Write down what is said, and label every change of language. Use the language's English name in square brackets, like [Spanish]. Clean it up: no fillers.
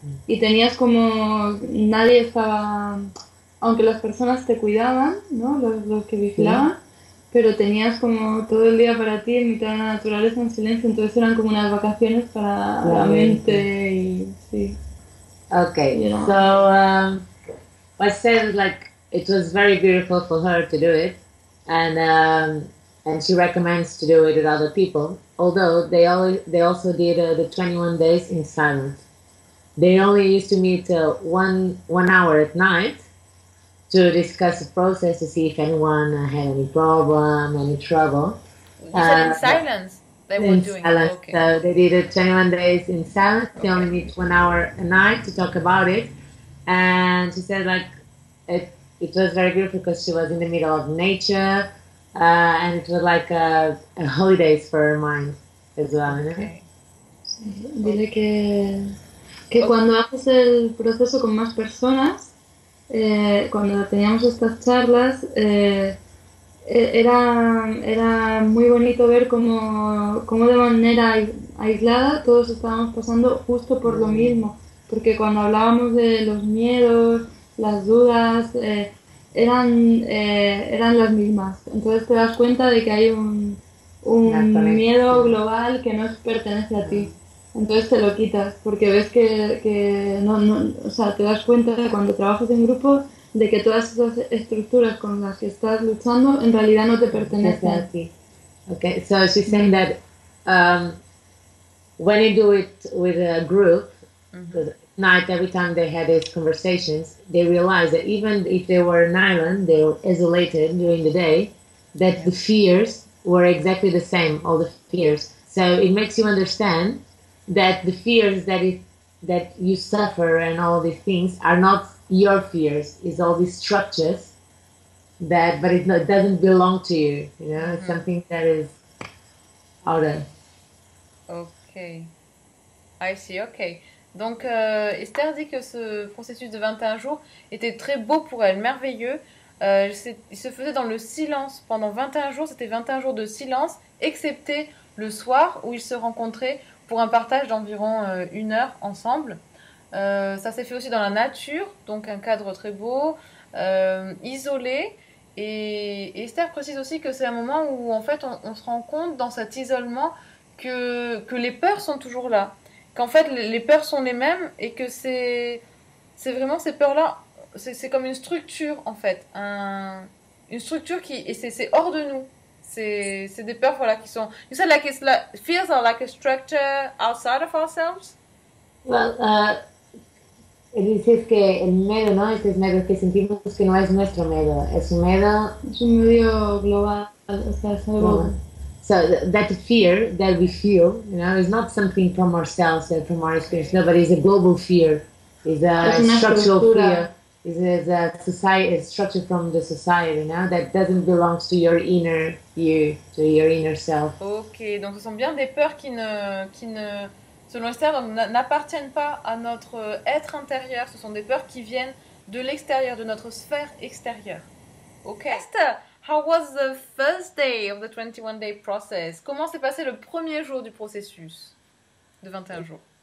[Spanish] Y tenías como... nadie estaba... aunque las personas te cuidaban, ¿no? Los que vigilaban, pero tenías como todo el día para ti en mitad de la naturaleza, en silencio, entonces eran como unas vacaciones para la mente y... sí. [English] Okay, so... I said, like, it was very beautiful for her to do it, and she recommends to do it with other people, although they also did the 21 days in silence. They only used to meet one hour at night to discuss the process, to see if anyone had any problem, any trouble. In silence. So they did 21 days in silence. They only meet 1 hour a night to talk about it. And she said, like, it was very beautiful because she was in the middle of nature, and it was like a holidays for her mind as well. Okay. You know? [Spanish] Dile que cuando haces el proceso con más personas, cuando teníamos estas charlas, era muy bonito ver cómo de manera aislada todos estábamos pasando justo por lo mismo, porque cuando hablábamos de los miedos, las dudas, eran las mismas. Entonces te das cuenta de que hay un miedo global que no pertenece a ti. Entonces te lo quitas, porque ves que no, o sea, te das cuenta cuando trabajas en grupo de que todas esas estructuras con las que estás luchando en realidad no te pertenecen. [English] Okay, so she's saying that when you do it with a group, night, every time they had these conversations, they realized that even if they were an island, they were isolated during the day, that the fears were exactly the same, all the fears. So it makes you understand that the fears that you suffer and all these things are not your fears, it's all these structures that, but it doesn't belong to you, you know, it's something that is out of. Okay, I see, okay. [French] Donc Esther dit que ce processus de 21 jours était très beau pour elle, merveilleux. Il se faisait dans le silence pendant 21 jours, c'était 21 jours de silence, excepté le soir où ils se rencontraient pour un partage d'environ une heure ensemble. Ça s'est fait aussi dans la nature, donc un cadre très beau, isolé. Et Esther précise aussi que c'est un moment où en fait on se rend compte dans cet isolement que les peurs sont toujours là, qu'en fait les peurs sont les mêmes et que c'est vraiment ces peurs-là, c'est comme une structure en fait, une structure qui, et c'est hors de nous. C'est des peurs, voilà, qui sont... [English] You said, like, it's like, feels are like a structure outside of ourselves? [Spanish] Well, Dices que el miedo, ¿no? Este es miedo que sentimos que no es nuestro miedo, es un miedo. Es un miedo global, o sea, es algo. Global. [English] So that fear that we feel, you know, is not something from ourselves and from our experience. No, but it's a global fear. It's a structural [Spanish] estructura. [English] Fear. It's a society, a structure from the society, you know, that doesn't belong to your inner you, to your inner self. [French] Okay, donc ce sont bien des peurs qui ne selon Esther, n'appartiennent pas à notre être intérieur. Ce sont des peurs qui viennent de l'extérieur, de notre sphère extérieure. Ok. [English] Esther, how was the first day of the 21-day process? [French] Comment s'est passé le premier jour du processus de 21 jours?